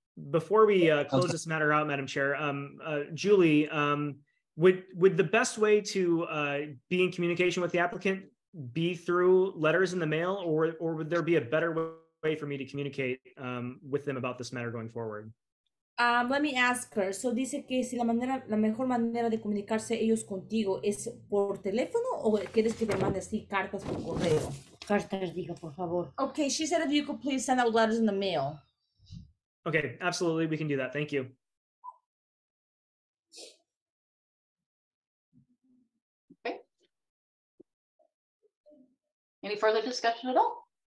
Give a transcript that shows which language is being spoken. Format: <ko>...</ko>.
<en>Before we close this matter out, Madam Chair, Julie, would the best way to be in communication with the applicant be through letters in the mail, or would there be a better way for me to communicate with them about this matter going forward? Let me ask her.</en> <es>So dice que si la manera, la mejor manera de comunicarse ellos contigo es por teléfono, o quieres que te mande así cartas por correo? Cartas, diga, por favor.</es> <en>Okay, she said if you could please send out letters in the mail. Okay, absolutely, we can do that. Thank you. Okay. Any further discussion at all?</en>